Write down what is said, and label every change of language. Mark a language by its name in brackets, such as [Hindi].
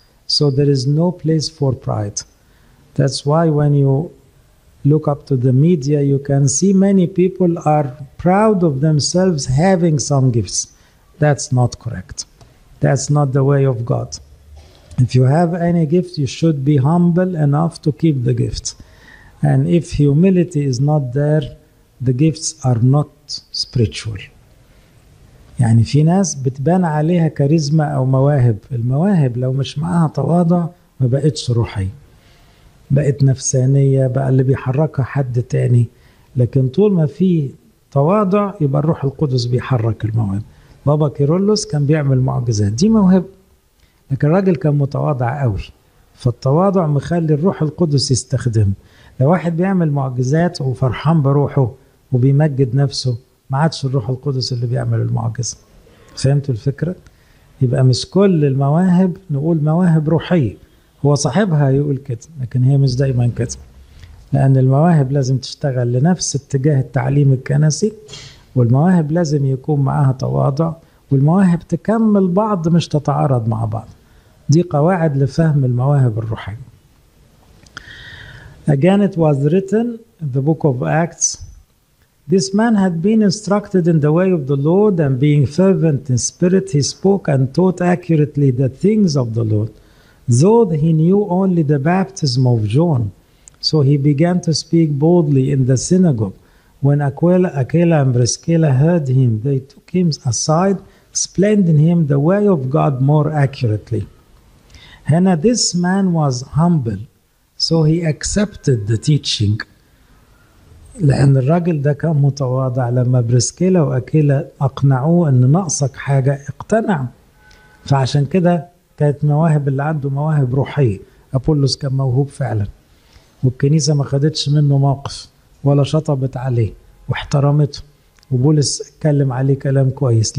[English] So there is no place for pride. That's why when you look up to the media, you can see many people are proud of themselves having some gifts. That's not correct. That's not the way of God. If you have any gift, you should be humble enough to keep the gift. And if humility is not there, the gifts are not spiritual. [Arabic] يعني في ناس بتبان عليها كاريزما أو مواهب. المواهب لو مش معاها تواضع ما بقتش روحي. بقت نفسانية، بقى اللي بيحركها حد تاني. لكن طول ما في تواضع يبقى الروح القدس بيحرك المواهب. بابا كيرولوس كان بيعمل معجزات، دي موهبة. لكن الراجل كان متواضع قوي، فالتواضع مخلي الروح القدس يستخدم. لو واحد بيعمل معجزات وفرحان بروحه وبيمجد نفسه، ما عادش الروح القدس اللي بيعمل المعجزة. فهمتوا الفكرة؟ يبقى مش كل المواهب نقول مواهب روحية، هو صاحبها يقول كده، لكن هي مش دايما كده. لأن المواهب لازم تشتغل لنفس اتجاه التعليم الكنسي، والمواهب لازم يكون معاها تواضع، والمواهب تكمل بعض مش تتعارض مع بعض. دي قواعد لفهم المواهب الروحية. [English] Again it was written in the book of Acts, this man had been instructed in the way of the Lord and being fervent in spirit he spoke and taught accurately the things of the Lord. Though he knew only the baptism of John, so he began to speak boldly in the synagogue. When Aquila and Priscilla heard him, they took him aside, explaining him the way of God more accurately. Hannah, this man was humble, so he accepted the teaching. [Arabic] لأن الرجل ده كان متواضع، لما بريسكيلا وأكيلا أقنعوه أن نقصك حاجة اقتنع. فعشان كده كانت مواهب اللي عنده مواهب روحية. أبولوس كان موهوب فعلا، والكنيسة ما خدتش منه موقف ولا شطبت عليه واحترمته، وبولس اتكلم عليه كلام كويس.